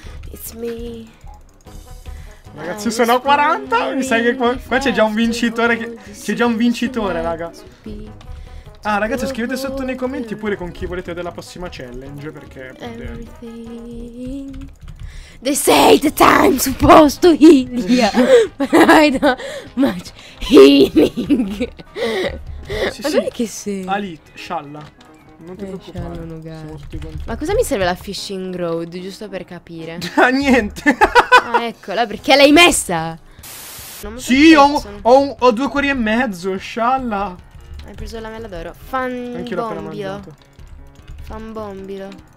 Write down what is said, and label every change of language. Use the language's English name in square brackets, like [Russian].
[English] It's me. [Italian] Ragazzi, sono 40. Mi sa che qua c'è già un vincitore. C'è già un vincitore, raga. Ah, ragazzi, scrivete sotto nei commenti pure con chi volete della prossima challenge, perché... [English] Everything... They say the time's supposed to heal you, but I don't much healing. [Italian] Sì, ma sì. Che sei? Alit, scialla. Non ti preoccupare. Ma cosa mi serve la fishing road, giusto per capire? Niente. Ah, eccola, perché l'hai messa? Sì, ho due cuori e mezzo, scialla. Hai preso la mela d'oro. Fanbombilo. Fanbombilo.